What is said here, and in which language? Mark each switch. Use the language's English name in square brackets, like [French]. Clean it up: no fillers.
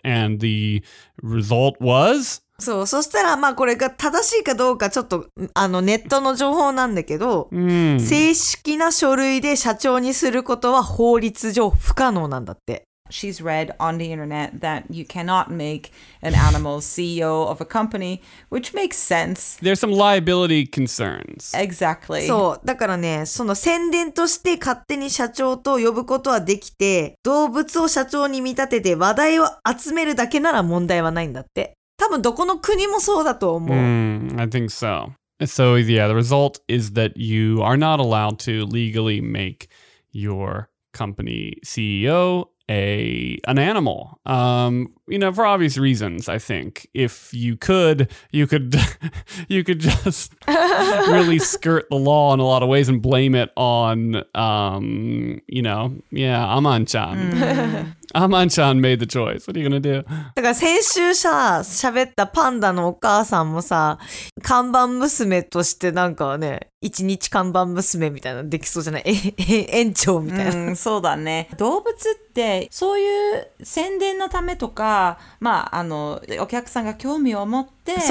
[English] And the result was... [Japanese] そう、そしたらまあこれが正しいかどうかちょっとあのネットの情報なんだけど、正式な書類で社長にすることは法律上不可能なんだって。 [English] she's read on the internet that you cannot make an animal CEO of a company, which makes sense. There's some liability concerns. Exactly. [Japanese] そう、だからね、その宣伝として勝手に社長と呼ぶことはできて、動物を社長に見立てて話題を集めるだけなら問題はないんだって。多分どこの国もそうだと思う。 [English] Mm, I think so. So yeah, the result is that you are not allowed to legally make your company CEO an animal. You know, for obvious reasons, I think. If you could, you could just really skirt the law in a lot of ways and blame it on, you know, yeah, Aman-chan. Aman-chan made the choice. What are you going to do? [Japanese] だから先週さ、喋ったパンダのお母さんもさ、看板娘としてなんかね、一日看板娘みたいなできそうじゃない？園長みたいな。うん、そうだね。動物ってそういう宣伝のためとか、まあ、あのお客さんが興味を持って